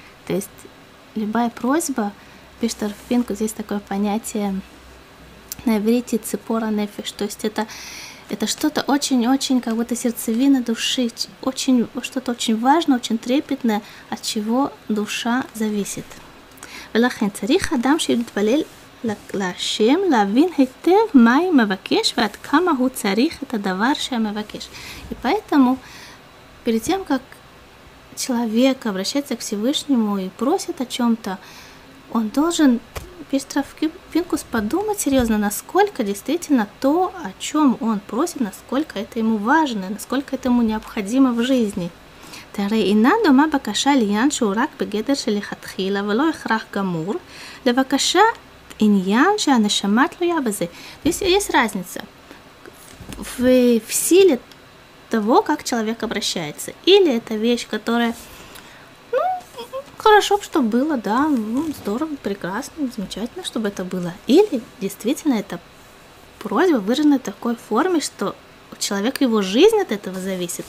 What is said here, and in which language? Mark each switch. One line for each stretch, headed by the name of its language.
Russian: То есть любая просьба, пишет Рав Пинкус, здесь такое понятие на иврите цепора нефеш, то есть это что-то очень-очень, как будто сердцевина души, очень, что-то очень важное, очень трепетное, от чего душа зависит.
Hebrew: ולכן צריך אדם שיתפלל לשם להבין היטב מה הוא מבקש ועד כמה הוא צריך את הדבר שהוא מבקש.
Russian: И поэтому, перед тем, как человек обращается к Всевышнему и просит о чем-то, он должен, пишет Рав Пинкус, подумать серьезно, насколько действительно то, о чем он просит, насколько это ему важно, насколько это ему необходимо в жизни.
Hebrew: תראה, אינה דומה בקשה לעניין שהוא רק בגדר שלכתחילה ולא הכרח גמור, לבקשה עניין שהנשמה תלויה בזה. יש
Russian: разница в силе того, как человек обращается. Или это вещь, которая, ну, хорошо бы, чтобы было, да, ну, здорово, прекрасно, замечательно, чтобы это было. Или действительно это просьба выражена в такой форме, что человек, его жизнь от этого зависит.